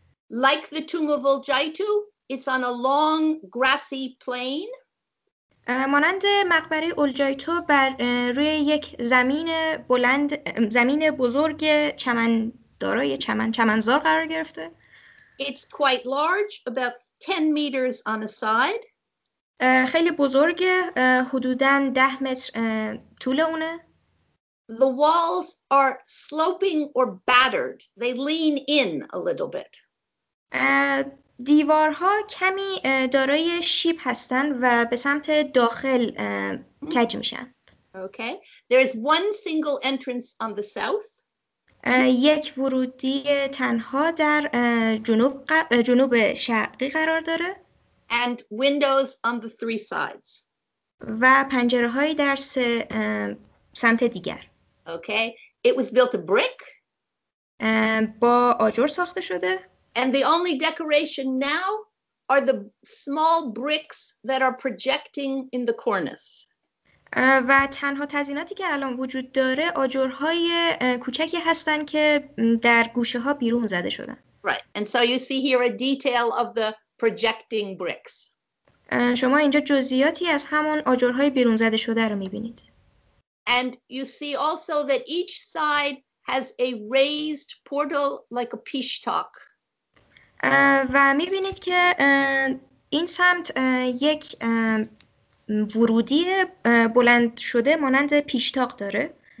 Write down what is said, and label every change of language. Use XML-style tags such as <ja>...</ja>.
<en>Like the tomb of Olgaitu, it's on a long grassy plain.</en> <fa>مانند مقبره اولجایتو بر روی یک زمین بلند زمین بزرگ چمن دارای چمنزار قرار گرفته.</fa> <en>It's quite large, about 10 meters on a side.</en> <fa>خیلی بزرگه، حدوداً 10 متر طول اونه.</fa> <en>The walls are sloping or battered. They lean in a little bit.</en> <fa>دیوارها کمی دارای شیب هستن و به سمت داخل کج میشن.</fa> <en>Okay. There is one single entrance on the south.</en> <fa>یک ورودی تنها در جنوب شرقی قرار داره.</fa> <en>And windows on the three sides.</en> <fa>و پنجره‌های در سمت دیگر.</fa> <en>Okay. It was built of brick.</en> <fa>با آجر ساخته شده.</fa> <en>And the only decoration now are the small bricks that are projecting in the cornice.</en> <fa>و تنها تزیناتی که الان وجود داره آجرهای کوچکی هستن که در گوشه ها بیرون زده شدن.</fa> <en>Right. And so you see here a detail of the projecting bricks.</en> <fa>شما اینجا جزئیاتی از همون آجرهای بیرون زده شده رو می‌بینید.</fa> <en>And you see also that each side has a raised portal like a peshtok.</en> <fa>و می‌بینید که این سمت یک ورودی بلند شده مانند پیشتاق داره.</fa>